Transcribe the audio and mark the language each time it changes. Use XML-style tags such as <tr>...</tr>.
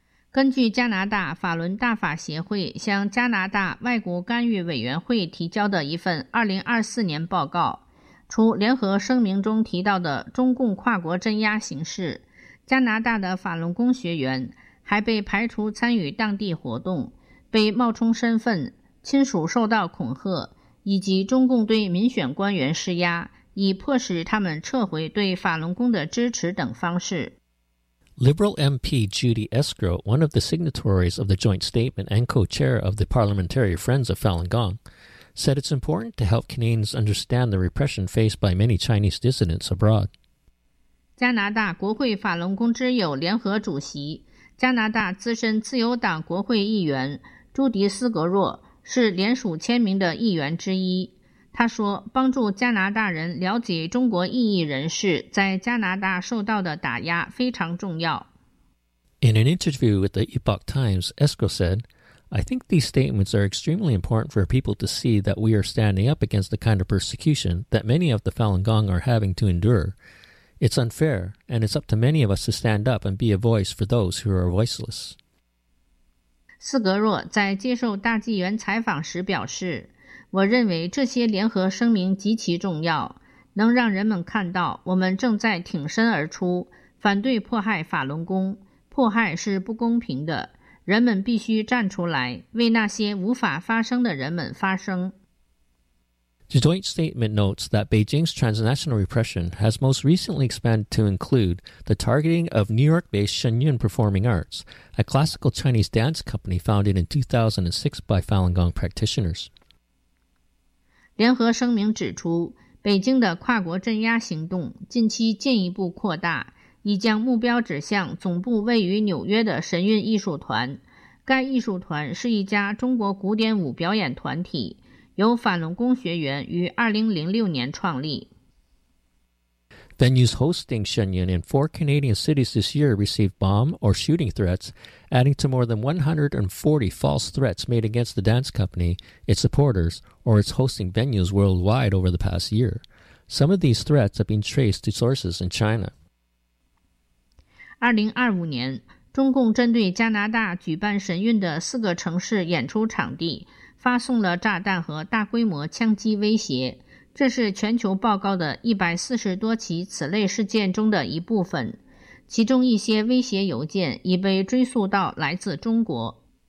<zh>根据加拿大法轮大法协会向加拿大外国干预委员会提交的一份2024年报告，除联合声明中提到的中共跨国镇压形势，加拿大的法轮功学员还被排除参与当地活动，被冒充身份，亲属受到恐吓，以及中共对民选官员施压，以迫使他们撤回对法轮功的支持等方式。</zh> <en>Liberal MP Judy Escrow, one of the signatories of the joint statement and co-chair of the Parliamentary Friends of Falun Gong, said it's important to help Canadians understand the repression faced by many Chinese dissidents abroad.</en> <zh>加拿大国会法轮功之友联合主席、加拿大资深自由党国会议员朱迪斯格若是联署签名的议员之一，他说，帮助加拿大人了解中国异议人士在加拿大受到的打压非常重要。</zh> <en>In an interview with the Epoch Times, Escrow said, I think these statements are extremely important for people to see that we are standing up against the kind of persecution that many of the Falun Gong are having to endure. It's unfair, and it's up to many of us to stand up and be a voice for those who are voiceless.</en> <zh>斯格若在接受大纪元采访时表示，我认为这些联合声明极其重要，能让人们看到我们正在挺身而出，反对迫害法轮功。迫害是不公平的，人们必须站出来，为那些无法发声的人们发声。</zh> <en>The joint statement notes that Beijing's transnational repression has most recently expanded to include the targeting of New York-based Shenyun Performing Arts, a classical Chinese dance company founded in 2006 by Falun Gong practitioners.</en> <zh>联合声明指出，北京的跨国镇压行动近期进一步扩大，已将目标指向总部位于纽约的神韵艺术团。该艺术团是一家中国古典舞表演团体，由法轮功学员于2006年创立。</zh> <en>Venues hosting Shenyun in four Canadian cities this year received bomb or shooting threats, adding to more than 140 false threats made against the dance company, its supporters, or its hosting venues worldwide over the past year. Some of these threats have been traced to sources in China.</en> <zh>2025年，中共针对加拿大举办神韵的四个城市演出场地发送了炸弹和大规模枪击威胁，这是全球报告的140多起此类事件中的一部分，其中一些威胁邮件已被追溯到来自中国。</zh>